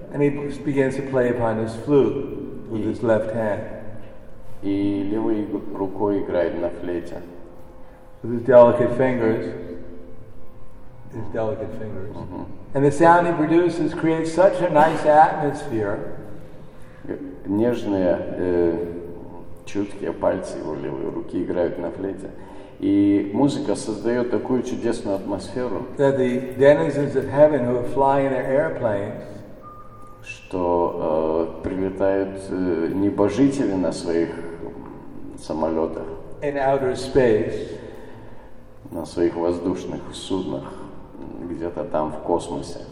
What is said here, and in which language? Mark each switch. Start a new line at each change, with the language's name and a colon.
English: And he begins to play upon his flute with his left hand.
Russian: И левой рукой играет на флейте.
English: With his delicate fingers. Mm-hmm. And the sound he produces creates such a nice atmosphere.
Russian: Нежные, чуткие пальцы его левой руки играют на флейте. И музыка создает такую чудесную атмосферу,
English: that the denizens of heaven who fly in their airplanes,
Russian: что прилетают небожители на своих самолетах,
English: in outer space,
Russian: на своих воздушных суднах, где-то там в космосе,